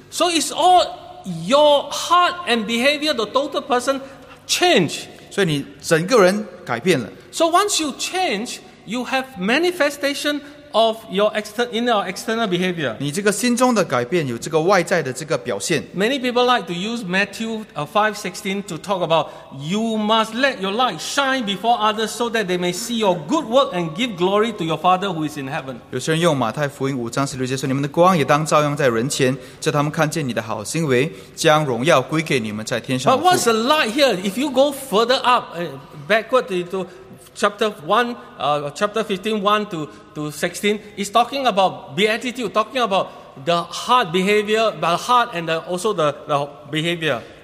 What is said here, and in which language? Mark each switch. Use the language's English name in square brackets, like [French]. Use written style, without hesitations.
[English] So it's all your heart and behavior, the total person change. [Chinese] 所以你整个人改变了。 [English] So once you change, you have manifestation of your external behavior. [Chinese] 你这个心中的改变有这个外在的这个表现。 [English] Many people like to use Matthew 5:16 to talk about you must let your light shine before others so that they may see your good work and give glory to your Father who is in heaven. [Chinese] 有些人用马太福音5:16说你们的光也当照样在人前，叫他们看见你的好行为，将荣耀归给你们在天上。 [English] But what's the light here? If you go further up, backward into chapter 1, chapter 15, 1 to 16, is talking about beatitude, talking about the heart behavior, the heart and also the behavior.